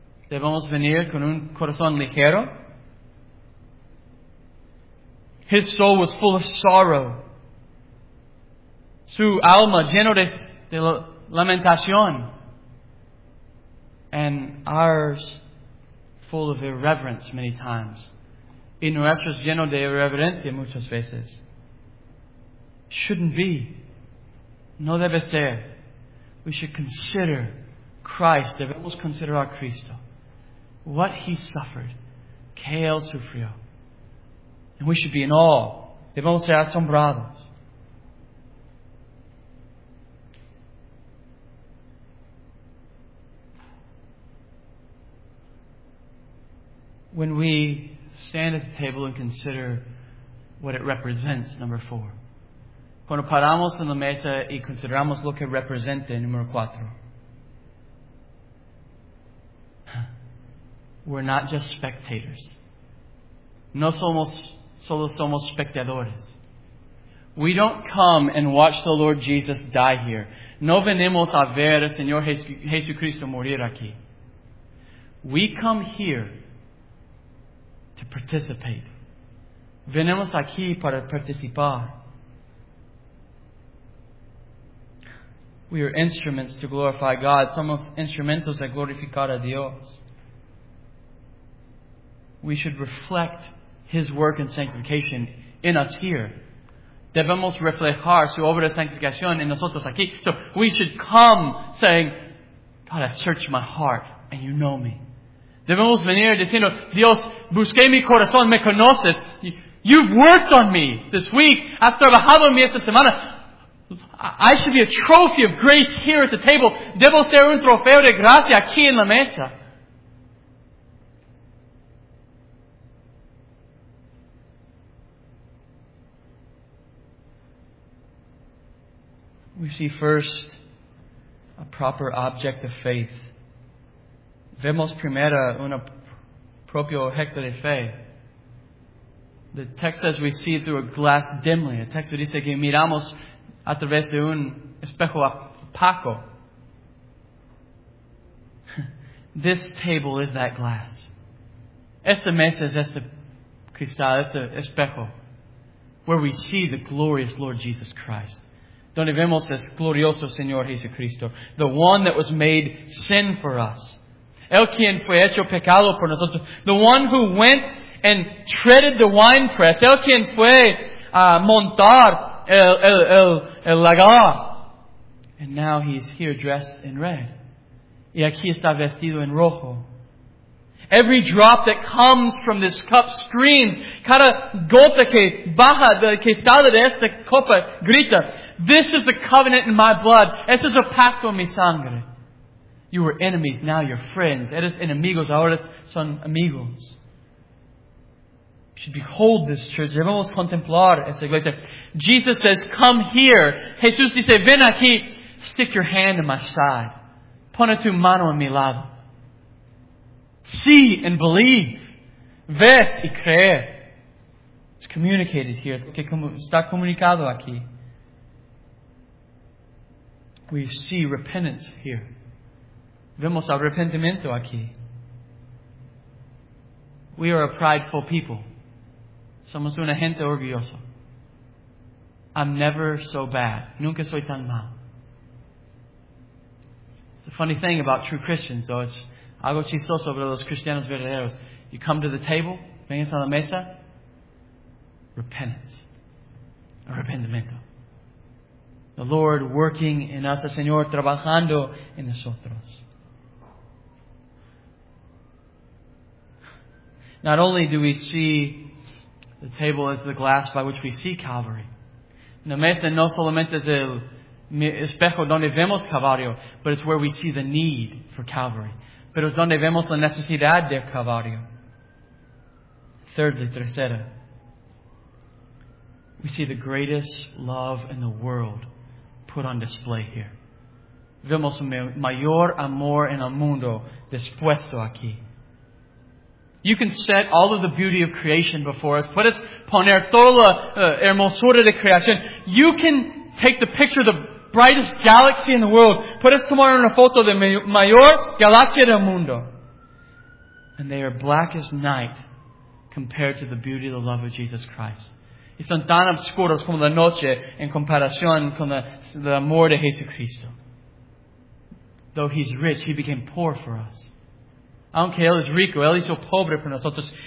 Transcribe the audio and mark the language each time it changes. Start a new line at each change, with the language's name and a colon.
Spanish: ¿Debemos venir con un corazón ligero?
English: His soul was full of sorrow.
Spanish: Su alma lleno de lamentación.
English: And ours full of irreverence many times.
Spanish: Y nuestros lleno de irreverencia muchas veces.
English: Shouldn't be.
Spanish: No debe ser.
English: We should consider Christ.
Spanish: Debemos considerar a Cristo.
English: What he suffered.
Spanish: Que él sufrió.
English: And we should be in awe.
Spanish: Debemos ser asombrados.
English: When we stand at the table and consider what it represents, number four.
Spanish: Cuando paramos en la mesa y consideramos lo que representa, número cuatro.
English: We're not just spectators.
Spanish: No somos, solo somos espectadores.
English: We don't come and watch the Lord Jesus die here.
Spanish: No venimos a ver al Señor Jesucristo morir aquí.
English: We come here to participate.
Spanish: Venimos aquí para participar.
English: We are instruments to glorify God.
Spanish: Somos instrumentos de glorificar a Dios.
English: We should reflect His work in sanctification in us here.
Spanish: Debemos reflejar su obra de sanctificación en nosotros aquí.
English: So we should come saying, God, I search my heart and you know me.
Spanish: Debemos venir diciendo, Dios, busqué mi corazón, me conoces.
English: You've worked on me this week.
Spanish: Has trabajado en mí esta semana.
English: I should be a trophy of grace here at the table.
Spanish: Debo ser un trofeo de gracia aquí en la mesa.
English: We see first a proper object of faith.
Spanish: Vemos primero un propio objeto de fe.
English: The text says we see through a glass dimly.
Spanish: El texto dice que miramos a través de un espejo opaco.
English: This table is that glass.
Spanish: Esta mesa es este cristal, este espejo,
English: where we see the glorious Lord Jesus Christ.
Spanish: Donde vemos el glorioso Señor Jesucristo,
English: the one that was made sin for us.
Spanish: El quien fue hecho pecado por nosotros.
English: The one who went and treaded the winepress.
Spanish: El quien fue a montar el lagar.
English: And now he's here dressed in red.
Spanish: Y aquí está vestido en rojo.
English: Every drop that comes from this cup screams.
Spanish: Cada gota que baja de que sale de esta copa grita.
English: This is the covenant in my blood.
Spanish: Este es el pacto en mi sangre.
English: You were enemies, now you're friends.
Spanish: Eres enemigos, ahora son amigos.
English: Should behold this church.
Spanish: Debemos contemplar esta iglesia.
English: Jesus says, come here.
Spanish: Jesús dice, ven aquí.
English: Stick your hand in my side.
Spanish: Pone tu mano en mi lado.
English: See and believe.
Spanish: Ves y creer.
English: It's communicated here.
Spanish: Es lo que está comunicado aquí.
English: We see repentance here.
Spanish: Vemos arrepentimiento aquí.
English: We are a prideful people.
Spanish: Somos una gente orgullosa.
English: I'm never so bad.
Spanish: Nunca soy tan mal.
English: It's a funny thing about true Christians, though.
Spanish: It's algo chistoso para los cristianos verdaderos.
English: You come to the table,
Spanish: vengas a la mesa, repentance. Arrepentimiento.
English: The Lord working in us,
Spanish: el Señor trabajando en nosotros.
English: Not only do we see the table as the glass by which we see Calvary,
Spanish: la mesa no solamente es el espejo donde vemos Calvario,
English: but it's where we see the need for Calvary.
Spanish: Pero es donde vemos la necesidad de Calvario.
English: Thirdly, tercera, we see the greatest love in the world put on display here.
Spanish: Vemos mayor amor en el mundo dispuesto aquí.
English: You can set all of the beauty of creation before us.
Spanish: Puedes poner toda la hermosura de creación.
English: You can take the picture of the brightest galaxy in the world.
Spanish: Puedes tomar una foto de mayor galaxia del mundo.
English: And they are black as night compared to the beauty of the love of Jesus Christ.
Spanish: Y son tan oscuros como la noche en comparación con el amor de Jesucristo.
English: Though he's rich, he became poor for us.
Spanish: Aunque él es rico, él hizo pobre por nosotros.